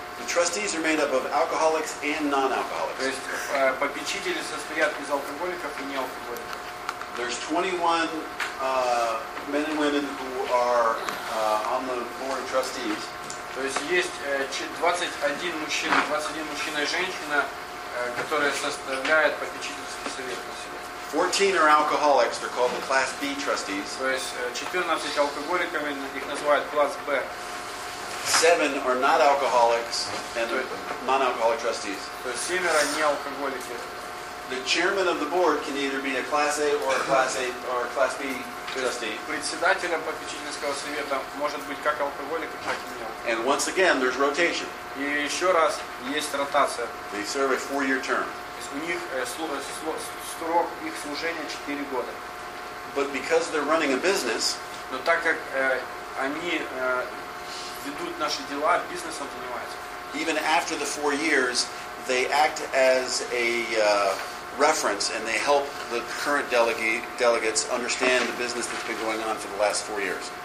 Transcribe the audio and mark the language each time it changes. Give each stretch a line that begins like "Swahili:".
English: The trustees are made up of alcoholics and non-alcoholics.
Russian: То есть попечители состоят из алкоголиков и неалкоголиков.
English: There's 21 men and women who are on the board of trustees.
Russian: То есть есть 21 мужчина, 21 мужчина и женщина, которые составляют попечительский совет на себя.
English: 14 are alcoholics, they're called the Class B trustees.
Russian: То есть 14 алкоголиками, их называют класс Б.
English: 7 are not alcoholics and non-alcoholic trustees.
Russian: То есть семеро не алкоголики.
English: The chairman of the board can either be a class A or a class B
Russian: Председателем попечительского совета может быть как алкоголик, так и нет.
English: And once again, there's rotation.
Russian: И еще раз есть ротация.
English: They serve a four-year term.
Russian: У них срок их служения 4 года.
English: But because they're running a business,
Russian: но так как они ведут наши дела, бизнесом занимаются.
English: Even after the 4 years, they act as a reference, and they help the current delegates understand the business that's been going on for the last 4 years.